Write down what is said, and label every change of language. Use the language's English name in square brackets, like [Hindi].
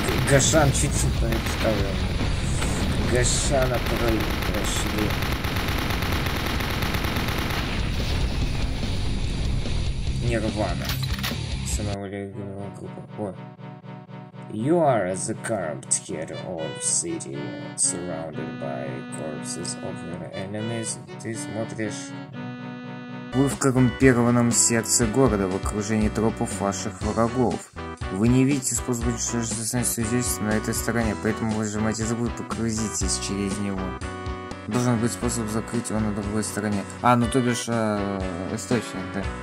[Russian] Гошан чуть-чуть не вставил. Гошана прошли. Нирвана. Самого любимого группа. [English] You are the corrupt head of city, surrounded by corpses of your enemies. [Russian] Ты смотришь. Вы в коррумпированном сердце города, в окружении трупов ваших врагов. Вы не видите способ уничтожения на этой стороне, поэтому вы сжимаете зубы и погрузитесь через него. Должен быть способ закрыть его на другой стороне. А, ну то бишь, источник, да.